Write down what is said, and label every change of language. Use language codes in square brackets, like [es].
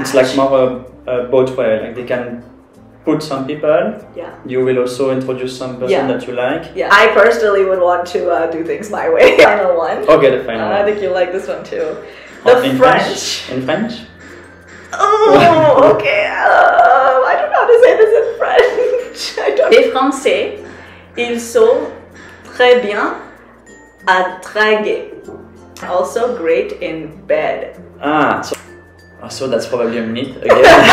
[en] It's like more a boat where like they can put some people, you will also introduce some person that you like. Yeah, I personally would want to do things my way. Final one. Okay, the final one. I think you'll like this one too. The French. In French? Oh, okay. I don't know how to say this in French. I don't [fr] Les Français, ils sont très bien à draguer. [en] Also great in bed. Ah, so. Oh, so that's probably a myth again.